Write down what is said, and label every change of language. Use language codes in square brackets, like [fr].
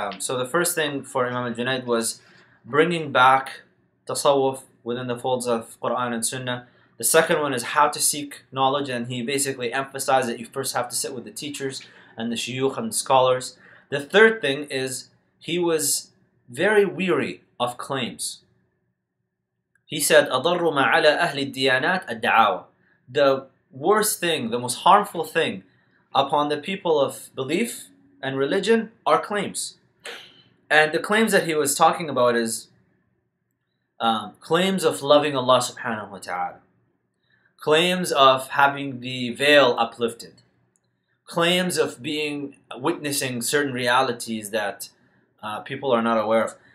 [en] So the first thing for Imam al-Junayd was bringing back tasawwuf within the folds of Quran and Sunnah. The second one is how to seek knowledge. And he basically emphasized that you first have to sit with the teachers and the shuyukh and the scholars. The third thing is he was very weary of claims. He said, [ar] أَضَرُّ مَا عَلَىٰ أَهْلِ الدِّيَانَاتِ الدَّعَوَىٰ. [en] The worst thing, the most harmful thing upon the people of belief and religion are claims. And the claims that he was talking about is claims of loving Allah subhanahu wa ta'ala. Claims of having the veil uplifted. Claims of being witnessing certain realities that people are not aware of.